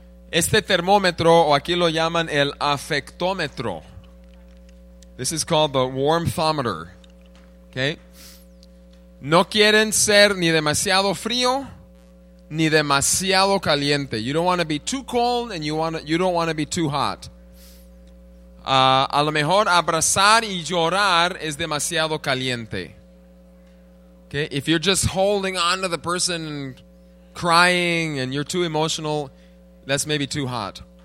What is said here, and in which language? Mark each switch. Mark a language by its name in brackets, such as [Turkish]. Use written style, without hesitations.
[Spanish] Este termómetro, o aquí lo llaman el afectómetro. [English] This is called the warmthometer. Okay. [Spanish] No quieren ser ni demasiado frío, ni demasiado caliente. [English] You don't want to be too cold, and you don't want to be too hot. [Spanish] A lo mejor abrazar y llorar es demasiado caliente. [English] Okay, if you're just holding on to the person, crying, and you're too emotional, that's maybe too hot.